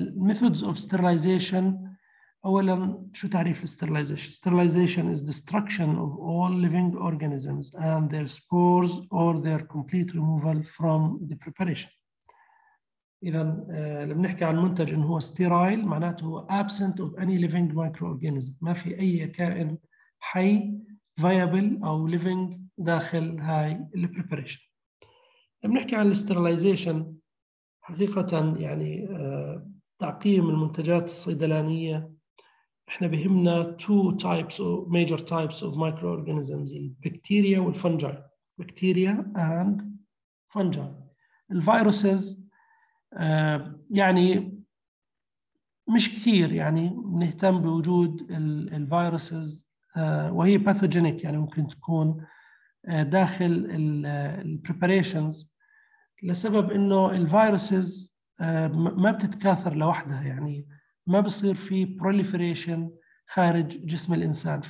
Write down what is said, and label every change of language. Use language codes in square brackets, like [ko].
[en] Methods of sterilization، [ar] أولا شو تعريف [en] sterilization؟ Sterilization is destruction of all living organisms and their spores or their complete removal from the preparation. [ar] إذا لما نحكي عن منتج إن هو sterile معناته هو [en] absent of any living microorganism، [ar] ما في أي كائن حي viable أو living داخل هاي اللي preparation. لما نحكي عن sterilization حقيقة يعني تعقيم المنتجات الصيدلانية، إحنا بهمنا [en] two types or major types of microorganisms: bacteria and fungi. Bacteria and fungi. [ar] Viruses يعني مش كثير يعني نهتم بوجود الفيروسز، وهي pathogenic يعني ممكن تكون داخل preparations، لسبب إنه الفيروسز ما بتتكاثر لوحدها، يعني ما بصير في proliferation خارج جسم الإنسان.